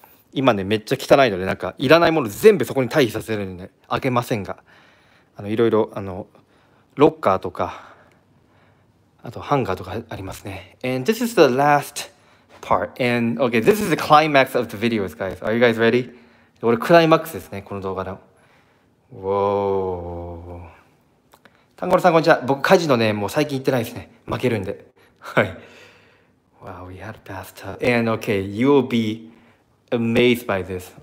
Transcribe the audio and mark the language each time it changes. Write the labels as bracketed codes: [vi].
[ja] 今ね、めっちゃ汚いので、なんかいらないもの全部そこに退避させるんで、開けませんが。あの、いろいろ、あの、ロッカーとか、あとハンガーとかありますね。 [en] And this is the last part. And okay, this is the climax of the videos, guys. Are you guys ready? [ja] これクライマックスですね、この動画の。 Whoa. タンゴロさん、こんにちは。僕、カジノね、もう最近行ってないですね。負けるんで。はい。 [en] Wow, we had a bathtub. And okay, you will be amazed by this.